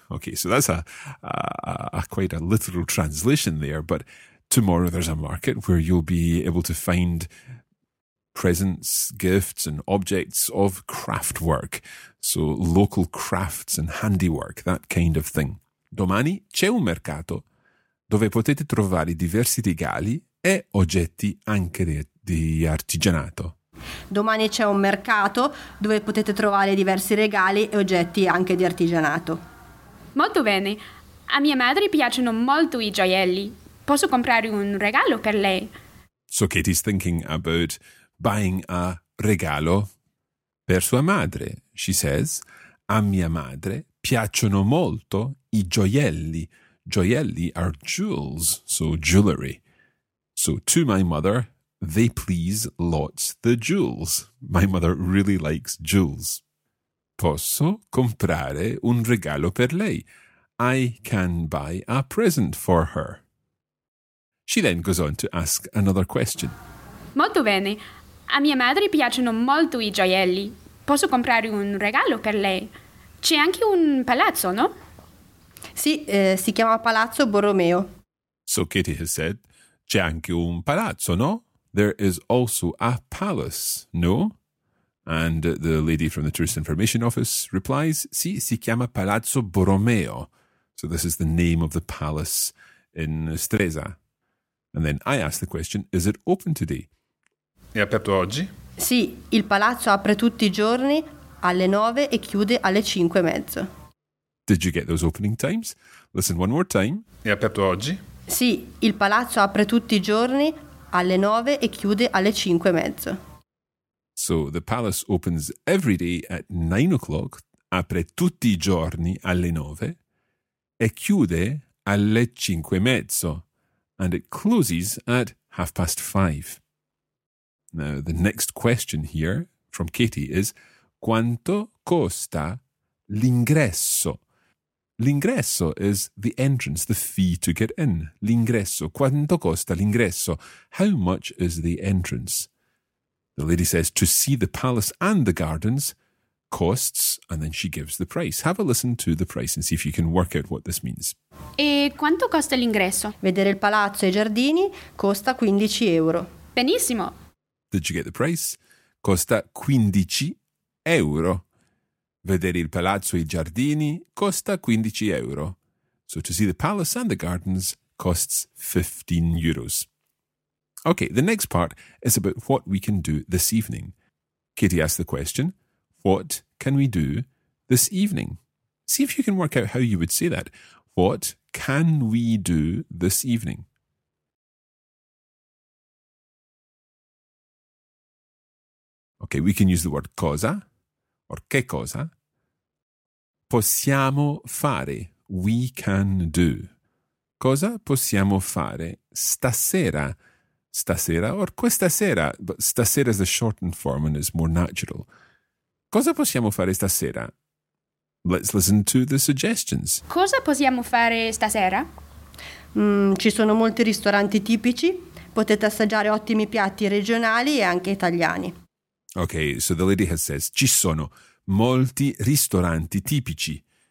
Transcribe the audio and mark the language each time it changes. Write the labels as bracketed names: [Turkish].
[English] Okay, so that's a quite a literal translation there, but tomorrow there's a market where you'll be able to find presents, gifts and objects of craftwork. So local crafts and handiwork, that kind of thing. [Italian] Domani c'è un mercato dove potete trovare diversi regali e oggetti anche di artigianato. Domani c'è un mercato dove potete trovare diversi regali e oggetti anche di artigianato. Molto bene. A mia madre piacciono molto i gioielli. Posso comprare un regalo per lei? [English] So Katie's thinking about buying a [Italian] regalo per sua madre. [English] She says, [Italian] a mia madre piacciono molto i gioielli. [English] Gioielli are jewels, so jewelry. So to my mother, they please lots the jewels. My mother really likes jewels. [Italian] Posso comprare un regalo per lei. [English] I can buy a present for her. She then goes on to ask another question. [Italian] Molto bene. A mia madre piacciono molto i gioielli. Posso comprare un regalo per lei? C'è anche un palazzo, no? Sì, si chiama Palazzo Borromeo. [English] So Katie has said, [Italian] c'è anche un palazzo, no? [English] There is also a palace, no? And the lady from the tourist information office replies, [Italian] sì, si chiama Palazzo Borromeo. [English] So this is the name of the palace in Stresa. And then I ask the question, is it open today? [Italian] È aperto oggi? Sì, il palazzo apre tutti i giorni alle 9 e chiude alle 5:30. [English] Did you get those opening times? Listen one more time. [Italian] È aperto oggi? Sì, il palazzo apre tutti i giorni alle 9 e chiude alle 5:30. [English] So the palace opens every day at 9 o'clock, [Italian] apre tutti i giorni alle 9 e chiude alle 5:30. [English] And it closes at 5:30. Now, the next question here from Katie is, [Italian] Quanto costa l'ingresso? [English] L'ingresso is the entrance, the fee to get in. [Italian] L'ingresso. Quanto costa l'ingresso? [English] How much is the entrance? The lady says, to see the palace and the gardens costs, and then she gives the price. Have a listen to the price and see if you can work out what this means. [Italian] E quanto costa l'ingresso? Vedere il palazzo e i giardini costa 15 euro. Benissimo. [English] Did you get the price? [Italian] Costa 15 euro. Vedere il palazzo e i giardini costa 15 euro. [English] So to see the palace and the gardens costs 15 euros. Okay, the next part is about what we can do this evening. Katie asked the question, what can we do this evening? See if you can work out how you would say that. What can we do this evening? Okay, we can use the word cosa or che cosa. [Italian] Possiamo fare, [English] we can do. [Italian] Cosa possiamo fare stasera? [English] Stasera or questa sera, but stasera is the shortened form and it's more natural. [Italian] Cosa possiamo fare stasera? [English] Let's listen to the suggestions. [Italian] Cosa possiamo fare stasera? Ci sono molti ristoranti tipici. Potete assaggiare ottimi piatti regionali e anche italiani. [English] Okay, so the lady has says, [Italian] ci sono molti ristoranti tipici.